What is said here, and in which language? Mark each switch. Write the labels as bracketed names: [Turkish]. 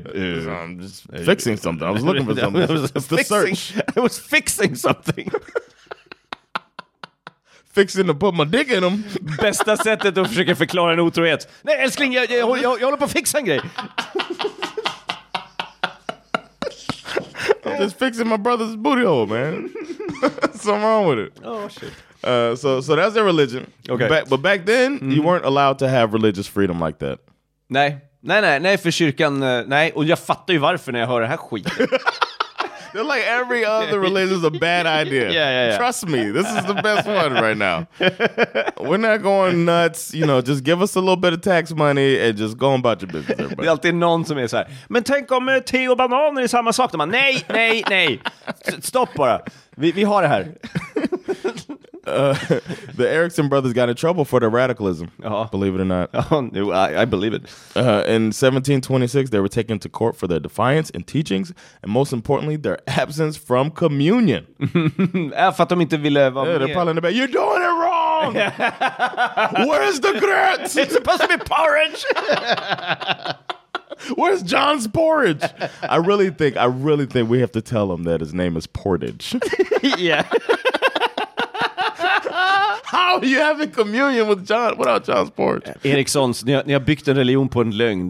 [English] I'm just fixing something. I was looking for something. I was fixing something. Fixing to put my dick in them. [Swedish] Bästa sättet att försöka förklara en otrohet. Nej, älskling, jag håller på att fixa en grej. [English] I'm just fixing my brother's booty hole, man. Something wrong with it. Oh, shit. So that's their religion. Okay. But back then, you weren't allowed to have religious freedom like that. [Swedish] Nej. Nej, för kyrkan, nej. Och jag fattar ju varför när jag hör det här skiten. [English] They're like, every other religion is a bad idea. Yeah. Trust me, this is the best one right now. We're not going nuts, you know, just give us a little bit of tax money and just go about your business, everybody. [Swedish] Det är alltid någon som är så här, men tänk om te och bananer är samma sak. De bara, nej. Stopp bara, vi har det här. [English] The Erickson brothers got in trouble for their radicalism, believe it or not. I believe it. In 1726, they were taken to court for their defiance and teachings, and most importantly, their absence from communion. [Swedish] För att de inte ville vara med. [English] They're probably in the back. You're doing it wrong! Where's the grits? It's supposed to be porridge! Where's John's porridge? I really think we have to tell him that his name is Portage. Yeah. How are you having communion with John without John's porridge? [Swedish] Erikssons, ni har byggt en religion på en lögn.